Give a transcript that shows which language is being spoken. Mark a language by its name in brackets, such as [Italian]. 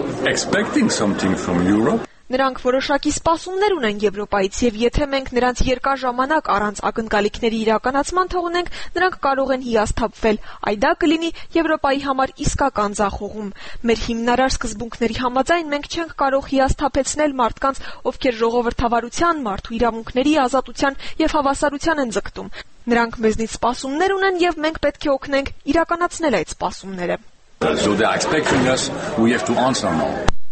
[English] Expecting something from Europe. [Armenian] Նրանք որոշակի սպասումներ ունեն Եվրոպայից, եւ եթե մենք նրանց երկար ժամանակ առանց ակնկալիքների իրականացման թողնենք, նրանք կարող են հիասթափվել։ Այդ դա կլինի Եվրոպայի համար իսկական ձախողում։ Մեր հիմնարար սկզբունքների համաձայն մենք չենք կարող հիասթափեցնել մարդկանց, ովքեր ժողովրդավարության, մարդու իրավունքների, ազատության եւ հավասարության են ձգտում։ Նրանք մեզնից սպասումներ ունեն եւ մենք պետք է օգնենք իրականացնել այդ սպասումները։ [English] So they are expecting us, we have to answer now.